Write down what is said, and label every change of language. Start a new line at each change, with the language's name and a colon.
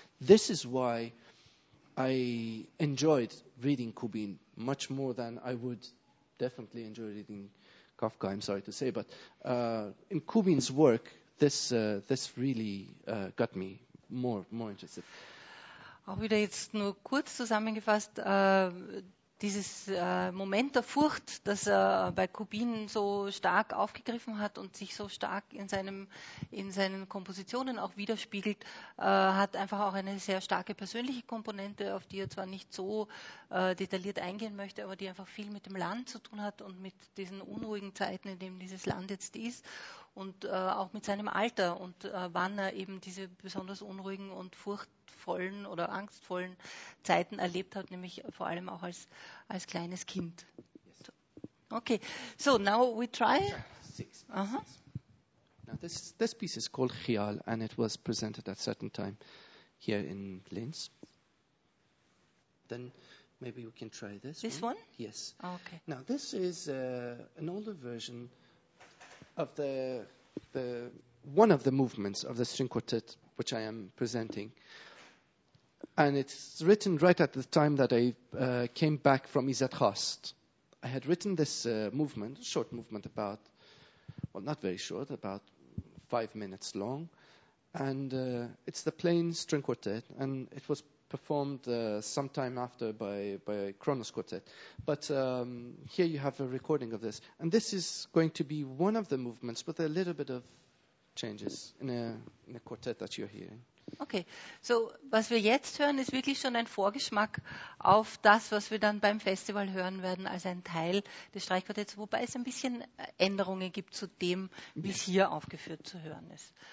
English: This is why I enjoyed reading Kubin much more than I would definitely enjoy reading Kafka, I'm sorry to say, but in Kubin's work, this really got me more interested.
German: Auch wieder jetzt nur kurz zusammengefasst, dieses Moment der Furcht, das er bei Kubin so stark aufgegriffen hat und sich so stark in seinen Kompositionen auch widerspiegelt, hat einfach auch eine sehr starke persönliche Komponente, auf die er zwar nicht so detailliert eingehen möchte, aber die einfach viel mit dem Land zu tun hat und mit diesen unruhigen Zeiten, in denen dieses Land jetzt ist. Und auch mit seinem Alter und wann er eben diese besonders unruhigen und furchtvollen oder angstvollen Zeiten erlebt hat, nämlich vor allem auch als kleines Kind.
English: So. Okay, so now we try. Six. Uh-huh. Now this piece is called Chial, and it was presented at a certain time here in Linz. Then maybe we can try this. This one? Yes. Oh, okay. Now this is an older version of the one of the movements of the string quartet which I am presenting, and it's written right at the time that I came back from Izzat Khast. I had written this movement, short movement, about, well, not very short, about 5 minutes long, and it's the plain string quartet, and it was performed sometime after by Kronos Quartet. But here you have a recording of this. And this is going to be one of the movements with a little bit of changes in a quartet that you're hearing.
German: Okay, so was wir jetzt hören, ist wirklich schon ein Vorgeschmack auf das, was wir dann beim Festival hören werden, als ein Teil des Streichquartetts, wobei es ein bisschen Änderungen gibt zu dem, wie es hier aufgeführt zu hören ist.